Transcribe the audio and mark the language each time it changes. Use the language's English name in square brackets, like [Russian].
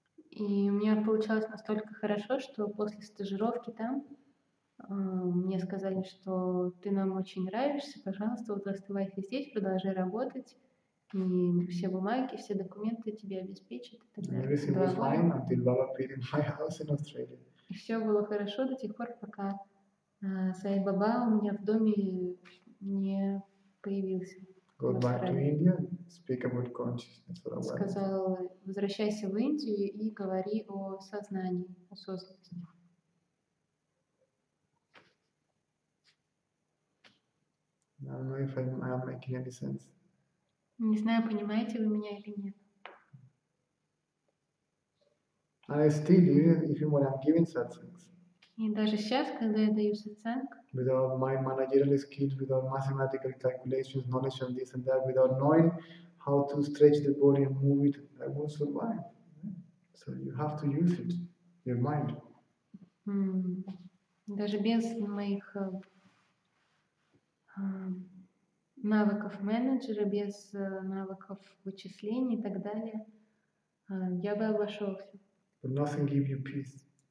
[Russian] И у меня получалось настолько хорошо, что после стажировки там мне сказали, что ты нам очень нравишься, пожалуйста, вот оставайся здесь, продолжай работать. И все бумаги, все документы тебе обеспечат. И все было хорошо до тех пор, пока Сай Баба у меня в доме не появился. [English] Go back to India, speak about consciousness for a while. [Russian] Сказал, возвращайся в Индию и говори о сознании, о сознании. [English] I don't know if I'm making any sense. [Russian] Не знаю, понимаете вы меня или нет. [English] I still, even when I'm giving satsangs. [Russian] И даже сейчас, когда я даю сатсанг. [English] Without my managerial skills, without mathematical calculations, knowledge of this and that, without knowing how to stretch the body and move it, I won't survive. So you have to use it, your mind. [Russian] Даже без моих навыков менеджера, без навыков вычислений и так далее, я бы обошелся. [English] But nothing gives you peace.